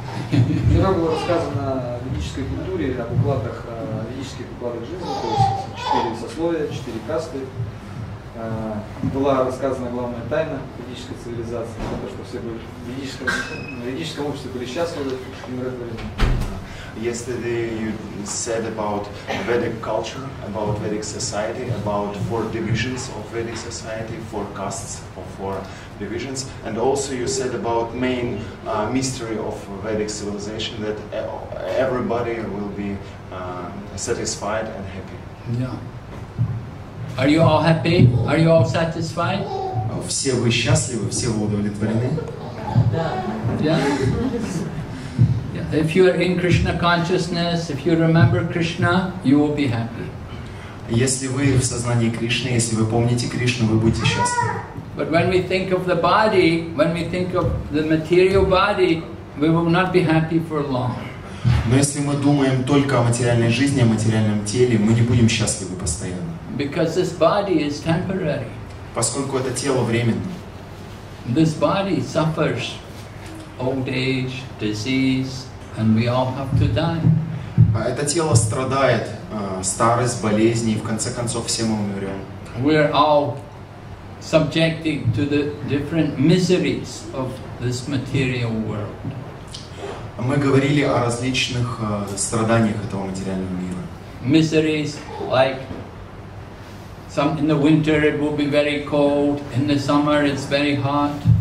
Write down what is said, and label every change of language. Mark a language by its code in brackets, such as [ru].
[ru] Вчера было рассказано о ведической культуре, об укладах, о ведических укладах жизни, то есть четыре сословия, четыре касты. Была рассказана главная тайна ведической цивилизации, то, что все были в ведическом обществе были счастливы в Эng-Рус времени. [en] Yesterday you said about Vedic culture, about Vedic society, about four divisions of Vedic society, four castes of four divisions, and also you said about main mystery of Vedic civilization, that everybody will be satisfied and happy. Yeah. Are you all happy? Are you all satisfied? [ru] Все вы счастливы, все вы удовлетворены? [en] Yeah. If you are in Krishna consciousness, if you remember Krishna, you will be happy. [ru] Если вы в сознании Кришны, если вы помните Кришну, вы будете счастливы. [en] But when we think of the body, when we think of the material body, we will not be happy for long. [ru] Но если мы думаем только о материальной жизни, о материальном теле, мы не будем счастливы постоянно. [en] Because this body is temporary. [ru] Поскольку это тело временно. [en] This body suffers old age, disease, and we all have to die. [ru] Это тело страдает старость, болезни, и в конце концов все мы умрем. [en] We are all subjected to the different miseries of this material world. [ru] Мы говорили о различных страданиях этого материального мира. [en] Miseries like some in the winter it will be very cold, in the summer it's very hot.